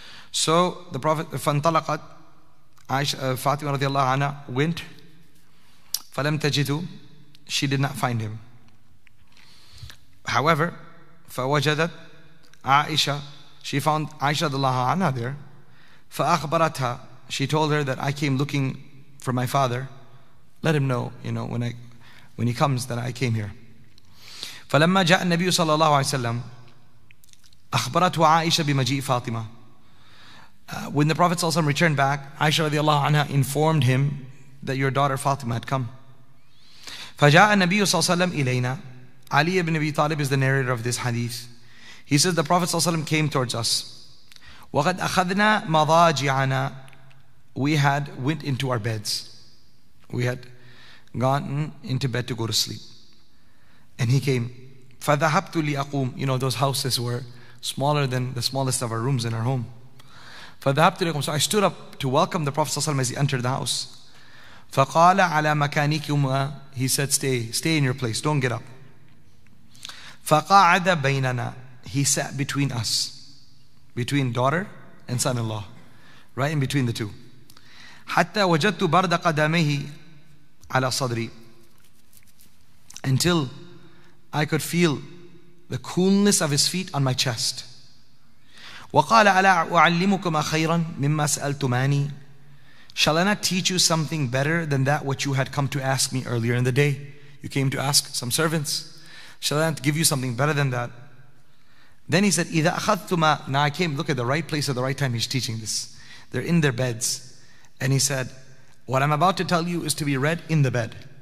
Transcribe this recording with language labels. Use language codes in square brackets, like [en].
[en] So the Prophet [ar] فانطلقت فاطمة رضي الله عنها [en] went [ar] فلم تجده, [en] she did not find him. However, [ar] فوجدت عائشة, [en] she found عائشة رضي الله عنها there. [ar] فأخبرتها, [en] she told her that I came looking for my father, let him know, you know, when he comes that I came here. [ar] فلما جاء النبي صلى الله عليه وسلم أخبرته عائشة بمجيء فاطمة. [en] When the Prophet صلى الله عليه وسلم returned back, عائشة رضي الله عنها informed him that your daughter Fatima had come. [ar] فجاء النبي صلى الله عليه وسلم إلينا. [en] علي بن أبي طالب is the narrator of this hadith. He says the Prophet صلى الله عليه وسلم came towards us. [ar] وقد أخذنا مضاجعنا, [en] we had went into our beds. We had gotten into bed to go to sleep. And he came. [ar] فَذَهَبْتُ لِأَقُومُ, [en] you know, those houses were smaller than the smallest of our rooms in our home. [ar] فَذَهَبْتُ لِأَقُومُ, [en] so I stood up to welcome the Prophet ﷺ as he entered the house. [ar] فَقَالَ عَلَى مَكَانِكُمَا, [en] he said, stay in your place, don't get up. [ar] فَقَعَدَ بَيْنَنَا, [en] he sat between us, between daughter and son-in-law, right in between the two. [ar] حتى وجدت برد قدميه على صدري, [en] until I could feel the coolness of his feet on my chest. [ar] وقال ألا أعلمكما خيرا مما سألتماني, [en] Shall I not teach you something better than that which you had come to ask me earlier in the day? You came to ask some servants. Shall I not give you something better than that? Then he said, [ar] إِذَا أَخَذْتُمَا. [en] Now I came, look at the right place at the right time. He's teaching this. They're in their beds. And he said, what I'm about to tell you is to be read in the bed.